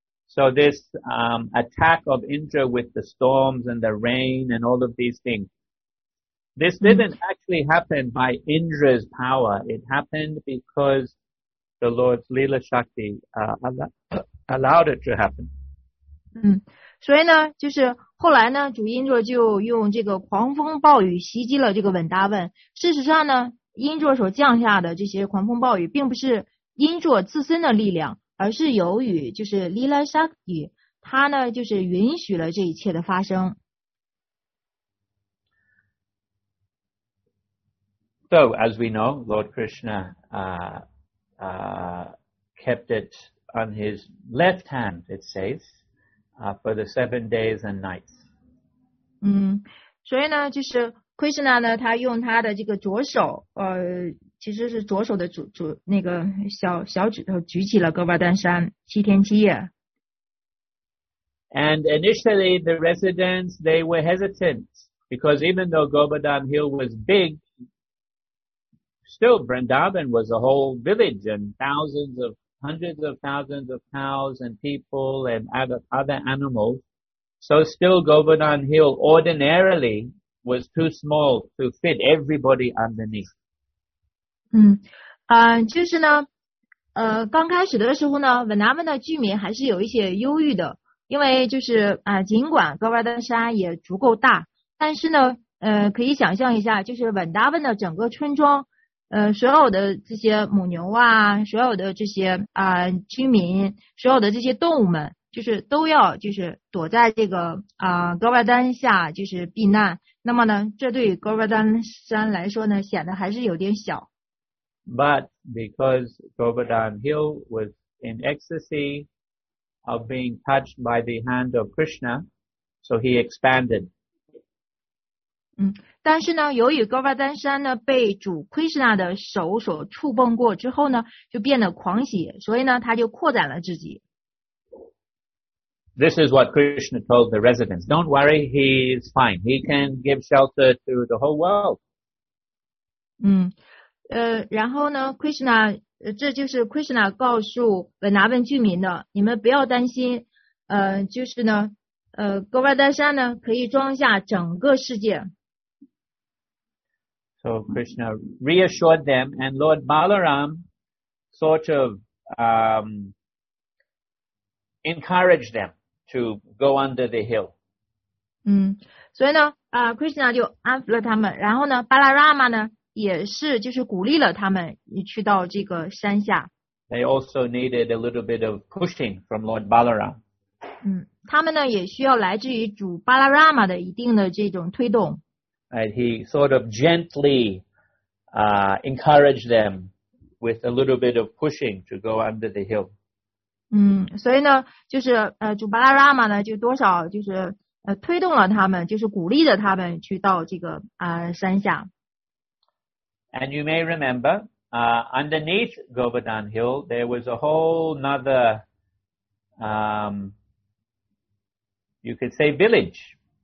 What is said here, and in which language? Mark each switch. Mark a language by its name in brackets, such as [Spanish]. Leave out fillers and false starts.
[English] So this attack of Indra with the storms and the rain and all of these things, this didn't actually happen by Indra's power. It happened because the Lord's Lila Shakti allowed it to happen. [Chinese] 嗯，所以呢，就是后来呢，主 Indra 就用这个狂风暴雨袭击了这个稳达文。事实上呢 ，Indra 所降下的这些狂风暴雨并不是 Indra 自身的力量。而是由于就是 Lila Shakti 他呢就是允许了这一切的发生。 [English] So, as we know, Lord Krishna kept it on his left hand, it says, for the 7 days and nights. [Chinese] 嗯，所以呢就是 Krishna 呢他用他的这个左手其实是左手的主那个小指头举起了哥巴丹山七天七夜。 [English] And initially the residents, they were hesitant because even though Govardhan Hill was big, still Vrindavan was a whole village and hundreds of thousands of cows and people and other animals. So still Govardhan Hill ordinarily was too small to fit everybody underneath. [Chinese] 嗯，就是呢，刚开始的时候呢，文达文的居民还是有一些忧郁的，因为就是尽管哥瓦丹山也足够大，但是呢，可以想象一下，就是文达文的整个村庄，所有的这些母牛啊，所有的这些居民，所有的这些动物们，就是都要就是躲在这个哥瓦丹下就是避难，那么呢，这对哥瓦丹山来说呢，显得还是有点小。 [English] But because Govardhan Hill was in ecstasy of being touched by the hand of Krishna, so he expanded. [Chinese] 嗯，但是呢，由于 Govardhan 山呢被主 Krishna 的手所触碰过之后呢，就变得狂喜，所以呢，他就扩展了自己。 [English] This is what Krishna told the residents. Don't worry, he is fine. He can give shelter to the whole world. [Chinese] 嗯。然后呢 ，Krishna， 这就是 Krishna 告诉文达文居民的，你们不要担心，就是呢，哥瓦丹山呢可以装下整个世界。 [English] So Krishna reassured them, and Lord Balaram sort of encouraged them to go under the hill. [Chinese] 所以呢，Krishna 就安抚了他们，然后呢，巴拉拉玛呢也是就是鼓励了他们去到这个山下。 [English] They also needed a little bit of pushing from Lord Balaram. [Chinese] 他们呢也需要来自于主巴拉拉玛的一定的这种推动。 [English] And he sort of gently encouraged them with a little bit of pushing to go under the hill. [Chinese] 所以呢，就是主巴拉拉玛呢就多少就是推动了他们，就是鼓励着他们去到这个山下。 [English] And you may remember, underneath Govardhan Hill, there was a whole another, you could say, village.